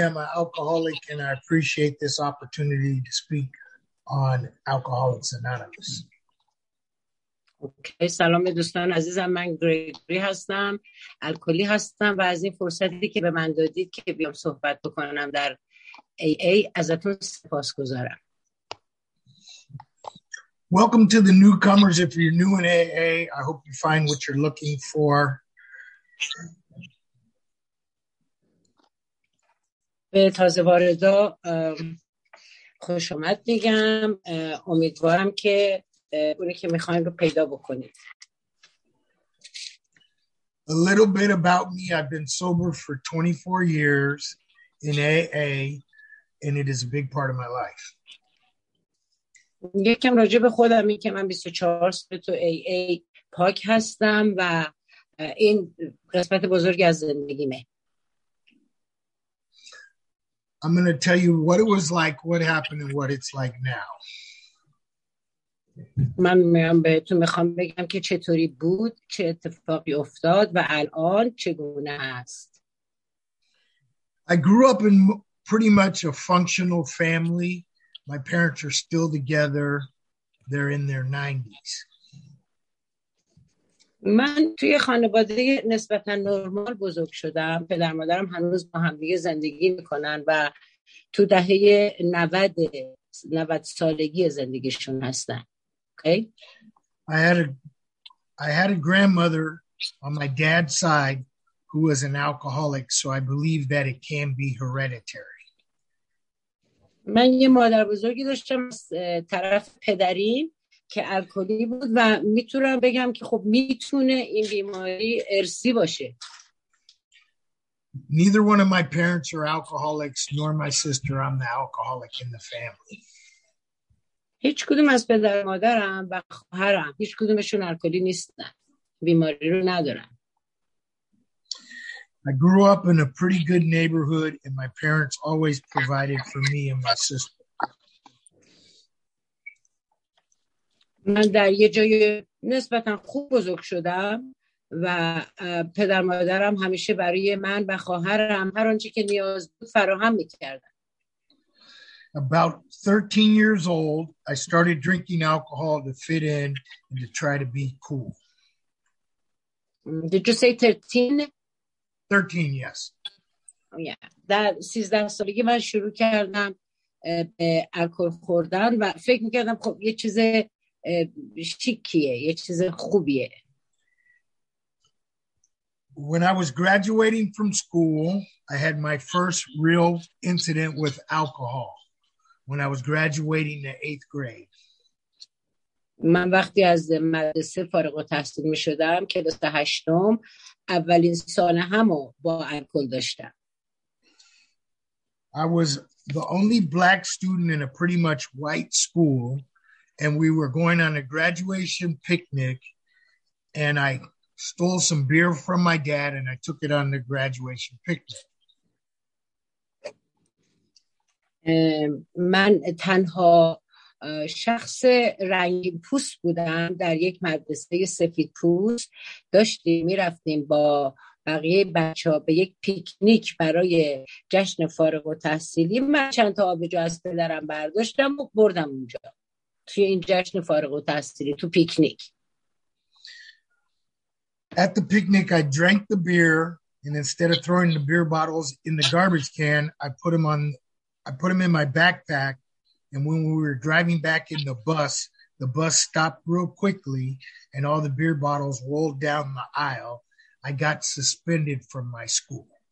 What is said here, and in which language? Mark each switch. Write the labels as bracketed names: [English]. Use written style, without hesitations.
[English] I'm an alcoholic, and I appreciate this opportunity to speak on Alcoholics Anonymous. Okay. [Persian] سلام دوستان عزیزم، من گریگوری هستم، الکلی هستم و از این فرصتی که به من دادید که بیام صحبت بکنم در AA ازتون سپاسگزارم. [English] Welcome to the newcomers. If you're new in AA, I hope you find what you're looking for. [Persian] به تازه واردا خوش آمد میگم، امیدوارم که اونی که میخواین رو پیدا بکنید. [English] A little bit about me. I've been sober for 24 years in AA, and it is a big part of my life. [Persian] یکم راجع به خودم، این که من 24 سال تو AA پاک هستم و این قسمت بزرگ از زندگیمه. [English] I'm going to tell you what it was like, what happened, and what it's like now. [Persian] من میام بهتون میخوام بگم که چطوری بود، چه اتفاقی افتاد و الان چگونه است. [English] I grew up in pretty much a functional family. My parents are still together. They're in their 90s. [Persian] من توی خانواده نسبتا نرمال بزرگ شدم. پدر مادرم هنوز با هم دیگه زندگی میکنن و تو دهه 90 سالگی زندگیشون هستن. [English] Okay? I had a grandmother on my dad's side who was an alcoholic, so I believe that it can be hereditary. [Persian] من یه مادر بزرگی داشتم از طرف پدری که الکلی بود و میتونم بگم که خب میتونه این بیماری ارثی باشه. [English] Neither one of my parents are alcoholics nor my sister. I'm the alcoholic in the family. [Persian] هیچ کدوم از پدر مادرم و خواهرم هیچ کدومشون الکلی نیستن، بیماری رو ندارن. [English] I grew up in a pretty good neighborhood and my parents always provided for me and my sister. [Persian] من در یه جای نسبتا خوب بزرگ شدم و پدر مادرم همیشه برای من و خواهرم هر آنچه که نیاز بود فراهم می‌کردند. [English] About 13 years old, I started drinking alcohol to fit in and to try to be cool. Did you say 13? 13, yes. Yeah. [Persian] در 13 سالگی من شروع کردم به الکل خوردن و فکر میکردم خب یه چیز شیکیه، یه چیز خوبیه. [English] When I was graduating from school, I had my first real incident with alcohol when I was graduating the 8th grade. [Persian] من وقتی از مدرسه فارغ التحصیل می شدم، کلاس هشتم، اولین سال همو با الکل داشتم. [English] I was the only black student in a pretty much white school and we were going on a graduation picnic and I stole some beer from my dad and I took it on the graduation picnic. [Persian] من تنها شخص رنگی پوست بودم در یک مدرسه سفید پوست، داشتیم می رفتیم با بقیه بچه ها به یک پیکنیک برای جشن فارغ التحصیلی. من چند تا آبجو از پدرم برداشتم و بردم اونجا توی این جشن فارغ التحصیلی تو پیکنیک. [English] At the picnic I drank the beer and instead of throwing the beer bottles in the garbage can I put them in my backpack. And when we were driving back in the bus stopped real quickly and all the beer bottles rolled down the aisle. I got suspended from my school.